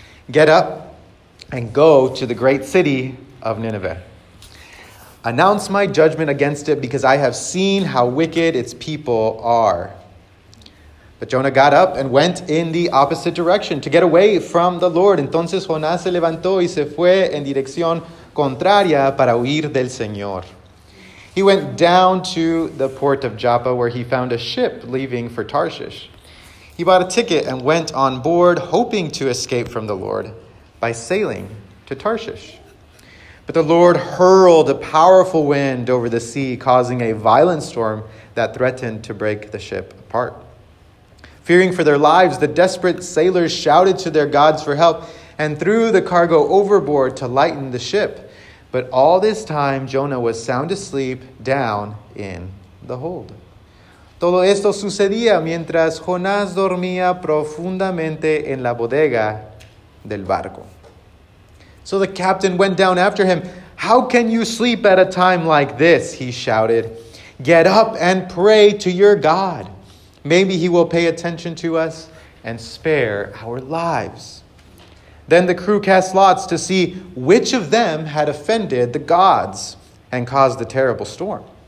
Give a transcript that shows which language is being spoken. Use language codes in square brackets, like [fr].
[en] Get up and go to the great city of Nineveh. Announce my judgment against it because I have seen how wicked its people are. But Jonah got up and went in the opposite direction to get away from the Lord. [es] Entonces Jonás se levantó y se fue en dirección contraria para huir del Señor. [en] He went down to the port of Joppa where he found a ship leaving for Tarshish. He bought a ticket and went on board, hoping to escape from the Lord by sailing to Tarshish. But the Lord hurled a powerful wind over the sea, causing a violent storm that threatened to break the ship apart. Fearing for their lives, the desperate sailors shouted to their gods for help and threw the cargo overboard to lighten the ship. But all this time, Jonah was sound asleep down in the hold. [es] Todo esto sucedía mientras Jonás dormía profundamente en la bodega del barco. [en] So the captain went down after him. How can you sleep at a time like this? He shouted. Get up and pray to your God. Maybe he will pay attention to us and spare our lives. Then the crew cast lots to see which of them had offended the gods and caused the terrible storm.